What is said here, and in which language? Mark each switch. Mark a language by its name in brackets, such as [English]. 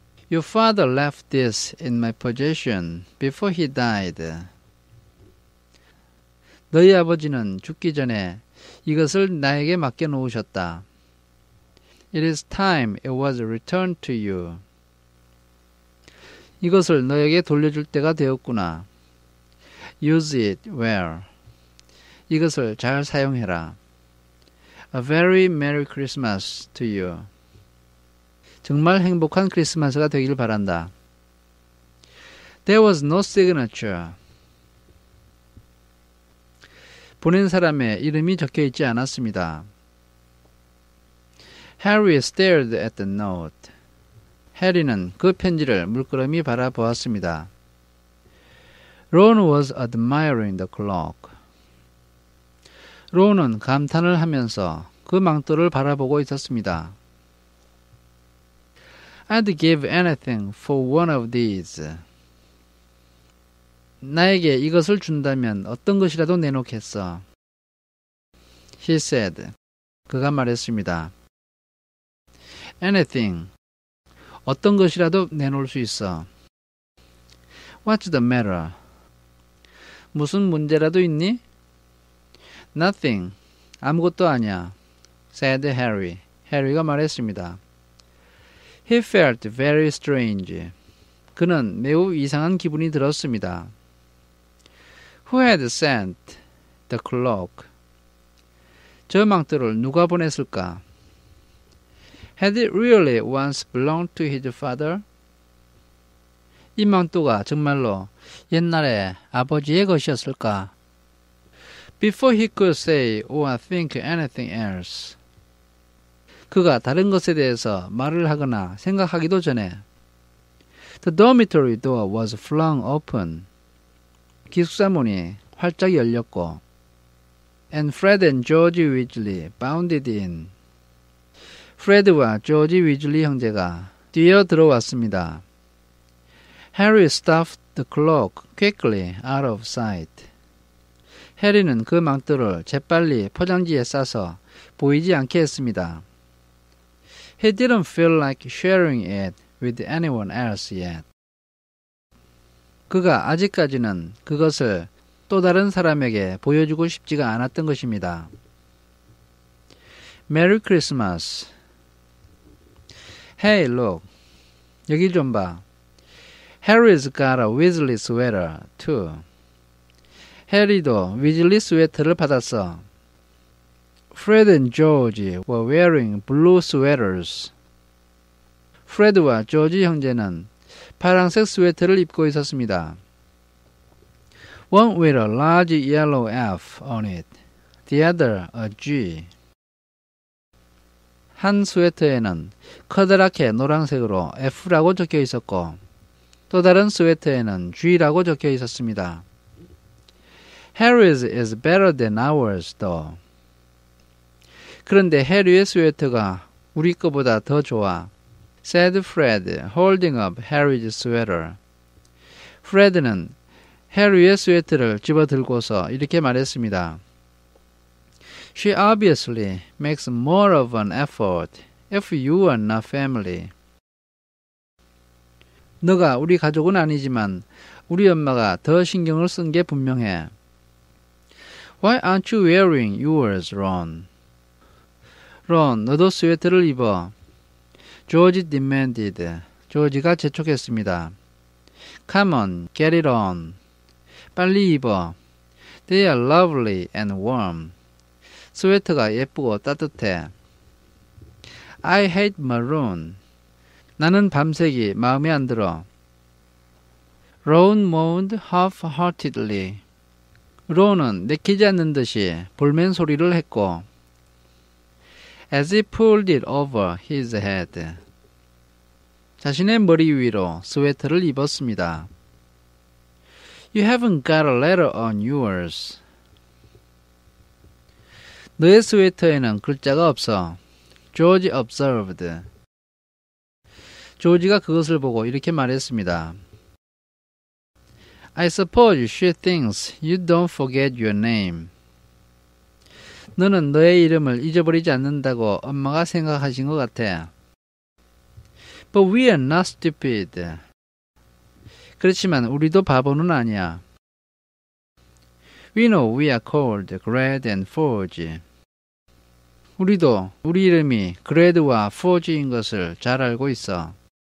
[English] Your father left this in my possession before he died. [Korean] 너희 아버지는 죽기 전에 이것을 나에게 맡겨 놓으셨다. [English] It is time it was returned to you. [Korean] 이것을 너에게 돌려줄 때가 되었구나. [English] Use it well. [Korean] 이것을 잘 사용해라. [English] A very Merry Christmas to you. [Korean] 정말 행복한 크리스마스가 되길 바란다. [English] There was no signature. [Korean] 보낸 사람의 이름이 적혀 있지 않았습니다. [English] Harry stared at the note. [Korean] 해리는 그 편지를 물끄러미 바라보았습니다. [English] Ron was admiring the clock. [Korean] 론은 감탄을 하면서 그 망토를 바라보고 있었습니다. [English] I'd give anything for one of these. [Korean] 나에게 이것을 준다면 어떤 것이라도 내놓겠어. [English] He said. [Korean] 그가 말했습니다. [English] Anything. [Korean] 어떤 것이라도 내놓을 수 있어. [English] What's the matter? [Korean] 무슨 문제라도 있니? [English] Nothing. [Korean] 아무것도 아니야. [English] Said Harry. [Korean] 해리가 말했습니다. [English] He felt very strange. [Korean] 그는 매우 이상한 기분이 들었습니다. [English] Who had sent the clock? [Korean] 저 망토를 누가 보냈을까? [English] Had it really once belonged to his father? [Korean] 이 망토가 정말로 옛날에 아버지의 것이었을까? [English] Before he could say or think anything else, [Korean] 그가 다른 것에 대해서 말을 하거나 생각하기도 전에, [English] the dormitory door was flung open. [Korean] 기숙사 문이 활짝 열렸고, [English] and Fred and George Weasley bounded in. [Korean] 프레드와 조지 위즐리 형제가 뛰어 들어왔습니다. [English] Harry stuffed the clock quickly out of sight. [Korean] 해리는 그 망토를 재빨리 포장지에 싸서 보이지 않게 했습니다. [English] He didn't feel like sharing it with anyone else yet. [Korean] 그가 아직까지는 그것을 또 다른 사람에게 보여주고 싶지가 않았던 것입니다. [English] Merry Christmas. Hey, look. [Korean] 여기 좀 봐. [English] Harry's got a Weasley sweater, too. [Korean] 해리도 위즐리 스웨터를 받았어. [English] Fred and George were wearing blue sweaters. [Korean] 프레드와 조지 형제는 파란색 스웨터를 입고 있었습니다. [English] One with a large yellow F on it, the other a G. [Korean] 한 스웨터에는 커다랗게 노란색으로 F라고 적혀 있었고, 또 다른 스웨터에는 G라고 적혀 있었습니다. [English] Harry's is better than ours, though. [Korean] 그런데 해리의 스웨터가 우리 것보다 더 좋아. [English] Said Fred, holding up Harry's sweater. [Korean] 프레드는 해리의 스웨터를 집어들고서 이렇게 말했습니다. [English] She obviously makes more of an effort if you are not family. [Korean] 너가 우리 가족은 아니지만 우리 엄마가 더 신경을 쓴 게 분명해. [English] Why aren't you wearing yours, Ron? [Korean] Ron, 너도 스웨터를 입어. [English] George demanded. [Korean] George가 재촉했습니다. [English] Come on, get it on. [Korean] 빨리 입어. [English] They are lovely and warm. [Korean] 스웨터가 예쁘고 따뜻해. [English] I hate maroon. [Korean] 나는 밤색이 마음에 안 들어. [English] Ron moaned half-heartedly. [Korean] 로는 내키지 않는 듯이 볼멘 소리를 했고, [English] As he pulled it over his head. [Korean] 자신의 머리 위로 스웨터를 입었습니다. [English] You haven't got a letter on yours. [Korean] 너의 스웨터에는 글자가 없어. [English] George observed. [Korean] 조지가 그것을 보고 이렇게 말했습니다. [English] I suppose she thinks you don't forget your name. [Korean] 너는 너의 이름을 잊어버리지 않는다고 엄마가 생각하신 것 같아. [English] But we are not stupid. [Korean] 그렇지만 우리도 바보는 아니야. [English] We know we are called Greg and Forge. [Korean] 우리도 우리 이름이 그레드와 포지인 것을 잘 알고 있어.